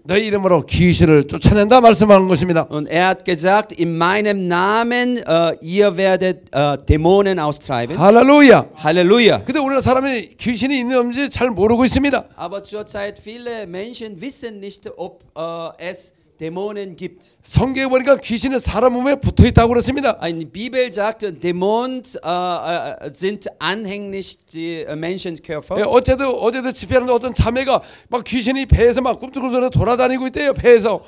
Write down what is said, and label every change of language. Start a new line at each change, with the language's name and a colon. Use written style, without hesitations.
Korean: 내 이름으로 귀신을 쫓아낸다 말씀하는 것입니다.
German: Und hat gesagt, in meinem Namen ihr werdet Dämonen austreiben.
Korean: 할렐루야. 할렐루야. 근데 우리나라 사람이 귀신이 있는지 잘 모르고 있습니다.
German: Aber zurzeit viele Menschen wissen nicht, ob es Dämonen gibt.
Korean: 성경에 보니까 귀신은 사람 몸에 붙어 있다고 그랬습니다.
German: In Bibel sagt Dämonen sind anhänglich die Menschen's Körper.
Korean: 예, 어제도 집회하는데 어떤 자매가 막 귀신이 배에서 막 꿈틀꿈틀 돌아다니고 있대요, 배에서.